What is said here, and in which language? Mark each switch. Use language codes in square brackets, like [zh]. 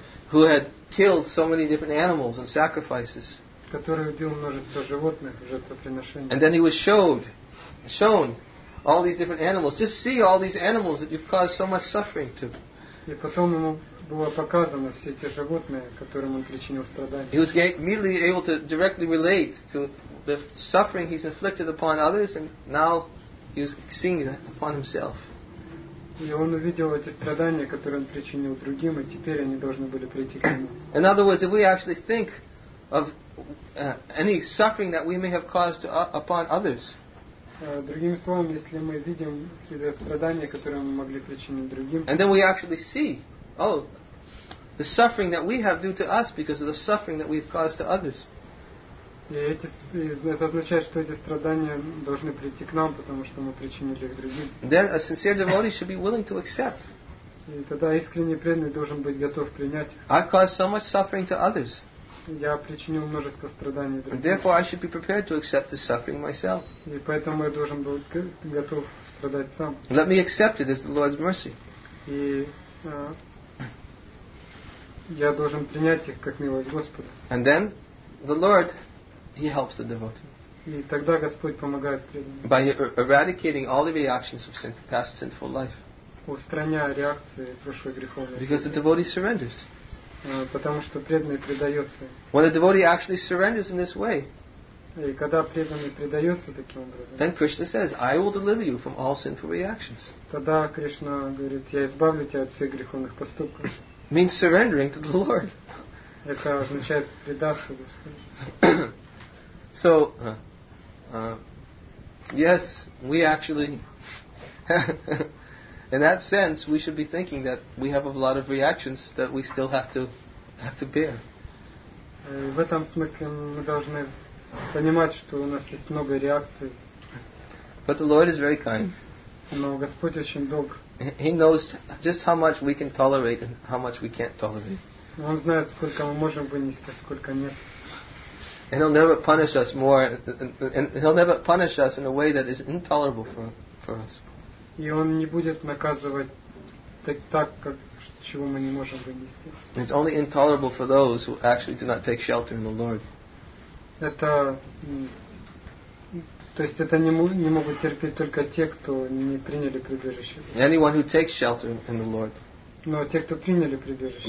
[en] Who had killed so many different animals and sacrifices. [ru] Который убил множество животных в жертвоприношении. [en] And then he was shown all these different animals. Just see all these animals that you've caused so much suffering to. [ru] И потом ему было показано все те животные, которым он причинил страдания. [en] He was immediately able to directly relate to the suffering he's inflicted upon others, and now he was seeing that upon himself. [ru] И он увидел эти страдания, которые он причинил другим, и теперь они должны были прийти к нему. [en] In other words, if we actually think of any suffering that we may have caused upon others. [ru] Другими словами, если мы видим какие-то страдания, которые мы могли причинить другим. [en] And then we actually see, oh, the suffering that we have due to us because of the suffering that we've caused to others. [ru] Это означает, что эти страдания должны прийти к нам, потому что мы причинили их другим. [en] Then a sincere devotee should be willing to accept. [ru] И тогда искренний преданный должен быть готов принять. [en] I've caused so much suffering to others. [ru] Я причинил множество страданий другим. [en] Therefore, I should be prepared to accept the suffering myself. [ru] И поэтому я должен был готов страдать сам. [en] Let me accept it as the Lord's mercy. [ru] И я должен принять их как милость Господа. [en] And then, the Lord, he helps the devotee. [ru] И тогда Господь помогает преданному. [en] By eradicating all the reactions of past sinful life. [ru] Устраняя реакции прошлой греховной жизни. [en] Because the devotee surrenders. [ru] Потому что преданный предается. [en] When a devotee actually surrenders in this way, [ru] И когда преданный предается таким образом, [en] then Krishna says, I will deliver you from all sinful reactions. [ru] Тогда Кришна говорит, я избавлю тебя от всех греховных поступков. [en] Means surrendering to the Lord. [ru] Это означает предаться Господу. [en] So, yes, we actually, in that sense, we should be thinking that we have a lot of reactions that we still have to bear. [ru] В этом смысле мы должны понимать, что у нас есть много реакций. [en] But the Lord is very kind. [ru] Но Господь очень добр. [en] He knows just how much we can tolerate and how much we can't tolerate. [ru] Он знает, сколько мы можем вынести, сколько нет. [en] And he'll never punish us more, and he'll never punish us in a way that is intolerable for us. [ru] И он не будет наказывать так, как чего мы не можем вынести. [en] It's only intolerable for those who actually do not take shelter in the Lord. [ru] Это, то есть это не могут терпеть только те, кто не приняли прибежище. [en] Anyone who takes shelter in the Lord. [ru] Но те, кто приняли прибежище.